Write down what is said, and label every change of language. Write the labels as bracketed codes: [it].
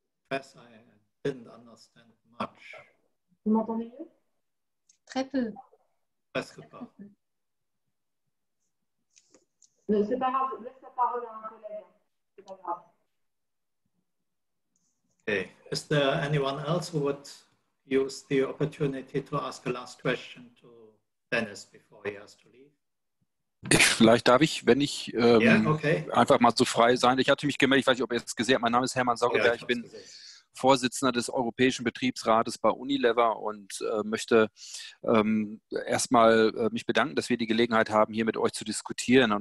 [en] I didn't understand much. [fr] Vous m'entendez mieux? Très peu. Presque pas. Non, c'est pas grave, laisse la parole à un collègue. C'est pas grave. [en] Okay. Is there anyone else who would use the opportunity to ask a last question to Dennis before he has to leave? [de] Vielleicht darf ich, wenn ich einfach mal so frei sein. Ich hatte mich gemeldet, ich weiß nicht, ob ihr es gesehen habt. Mein Name ist Hermann Sauerberg, ich bin Vorsitzender des Europäischen Betriebsrates bei Unilever und möchte erstmal mich bedanken, dass wir die Gelegenheit haben, hier mit euch zu diskutieren.